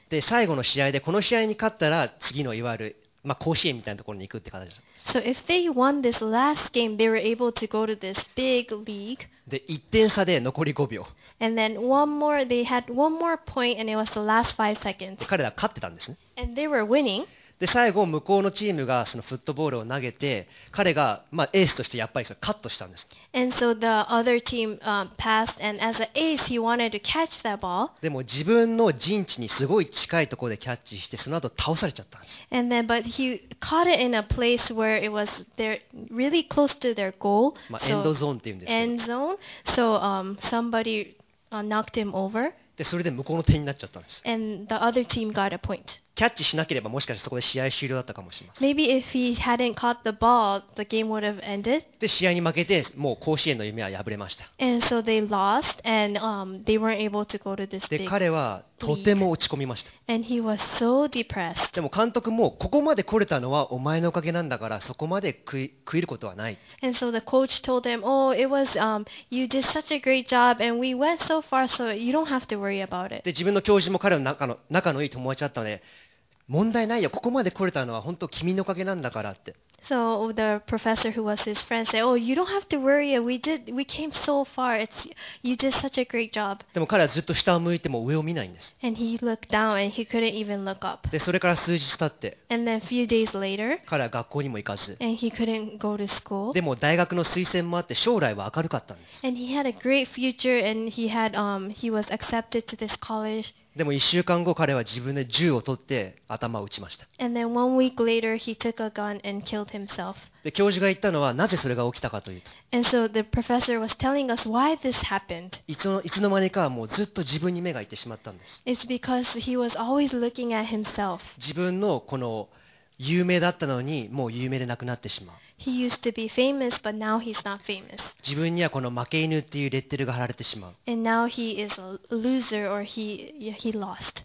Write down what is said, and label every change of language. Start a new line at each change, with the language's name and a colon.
Japanese: で最後の試合でこの試合に勝ったら次のいわゆる、甲子園みたいなところに行くって感じだった。
English: So if they won this last game, they were able to go to this big league.
Japanese: で1点差で残り5秒。
English: And then one more, they had one more point, and it was the last five seconds.
Japanese: 彼ら勝ってたんですね。
English: And they were winning.
Japanese: で最後向こうのチームがそのフットボールを投げて、彼がエースとしてやっぱりそのカットしたんです。
English: And so the other team passed, and as an ace, he wanted to catch that ball.
Japanese: でも自分の陣地にすごい近いところでキャッチして、その後倒されちゃったんです。
English: And then, but he caught it in a place where it was there, really close to their goal.
Japanese: エンドゾーンっていうんですけど。
English: End zone. So somebody knocked him over.
Japanese: でそれで向こうの手になっちゃったんです。
English: And the other team got a point.
Japanese: キャッチしなければもしかしたらそこで試合終了だったかもしれません。
English: Maybe if he hadn't caught the ball, the game would have ended.
Japanese: で試合に負けてもう甲子園の夢は破れました。
English: And so they lost and they weren't able to go to this big.
Japanese: で彼はとても落ち込みました。
English: And he was so depressed.
Japanese: でも監督もここまで来れたのはお前のおかげなんだからそこまで悔いることはない。
English: And so the coach told him, "Oh, it was you did such a great job and we went so far, so you don't have to worry about it."
Japanese: で自分の教授も彼の仲のいい友達だったので。問題ないよ。ここまで来れたのは本当君のおかげなんだからって。
English: So the professor who was his friend said, "Oh, you don't have to worry. We came so far. You did such a great job."
Japanese: でも彼はずっと下を向いても上を見ないんです。
English: And he looked down and he couldn't even look up.
Japanese: でそれから数日経って。
English: And then a few days later.
Japanese: 彼は学校にも行かず。
English: And he couldn't go to school.
Japanese: でも大学の推薦もあって将来は明るかったんです。
English: And he had a great future and he had he was accepted to this college.
Japanese: でも1週間後彼は自分で銃を取って頭を撃ちました。
English: And then one week later, he took a gun and killed himself.
Japanese: で教授が言ったのはなぜそれが起きたかというと。
English: And so the professor was telling us why this happened.
Japanese: いつの間にかもうずっと自分に目がいってしまったんです。
English: It's because he was always looking at himself.
Japanese: 自分のこの有名だったのにもう有名でなくなってしまう。
English: He used to be famous, but now he's not famous.
Japanese: 自分にはこの負け犬っていうレッテルが貼られてしまう。
English: And now he is a loser or he lost.